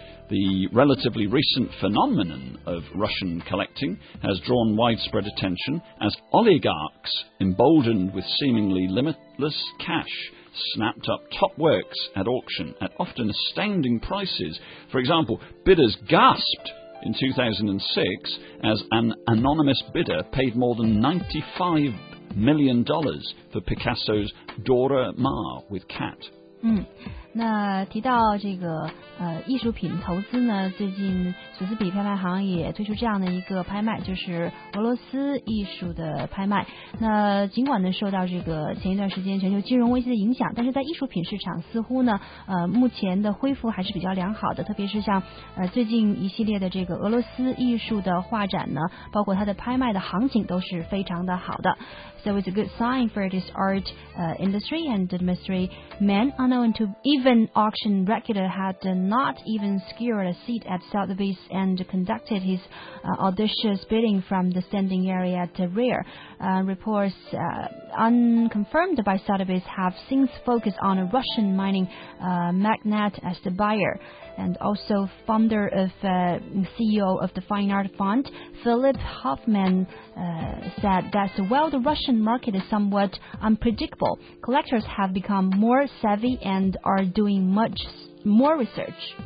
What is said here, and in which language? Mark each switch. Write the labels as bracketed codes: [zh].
[en] The relatively recent phenomenon of Russian collecting has drawn widespread attention as oligarchs, emboldened with seemingly limitless cash, snapped up top works at auction at often astounding prices. For example, bidders gasped. In 2006, as an anonymous bidder paid more than $95 million for Picasso's Dora Maar with cat. [zh] 那提到这个艺术品投资呢，最近索斯比拍卖行也推出这样的一个拍卖，就是俄罗斯艺术的拍卖。那尽管呢受到这个前一段时间全球金融危机的影响，但是在艺术品市场似乎呢目前的恢复还是比较良好的，特别是像最近一系列的这个俄罗斯艺术的画展呢，包括它的拍卖的行情都是非常的好的。 [en] So it's a good sign for this art industry and the mystery man unknown to even auction regular had not even secured a seat at Sotheby's and conducted his audacious bidding from the standing area at the rear. Reports unconfirmed by Sotheby's have since focused on a Russian mining magnate as the buyer, and also founder of CEO of the Fine Art Fund, Philip Hoffman, said that while the Russian market is somewhat unpredictable, collectors have become more savvy and are doing much more research.